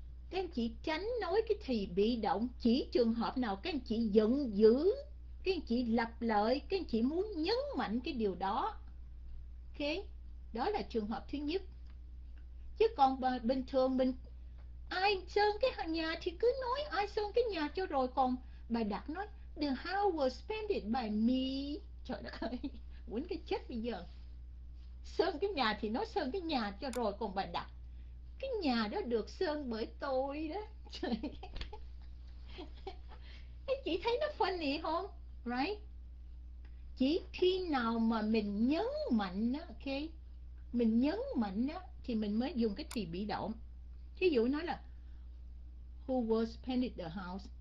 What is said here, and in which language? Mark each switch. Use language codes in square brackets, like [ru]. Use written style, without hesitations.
[vi] Các anh chị tránh nói cái thì bị động chỉ trường hợp nào các anh chị giận dữ, các anh chị lặp lại, các anh chị muốn nhấn mạnh cái điều đó. Ok, đó là trường hợp thứ nhất. Chứ còn bình thường mình ai sơn cái nhà thì cứ nói ai sơn cái nhà cho rồi. Còn bà Đạt nói [en] the house was painted by me. [vi] Trời đất ơi, quýnh cái chết bây giờ. Sơn cái nhà thì nói sơn cái nhà cho rồi. Còn bà Đạt, cái nhà đó được sơn bởi tôi đó. Trời đất. Chị thấy nó [en] funny [vi] không? [en] Right? [vi] Chỉ khi nào mà mình nhấn mạnh đó, ok, mình nhấn mạnh đó thì mình mới dùng cái từ bị động. Ví dụ nói là [en] who was painted the house?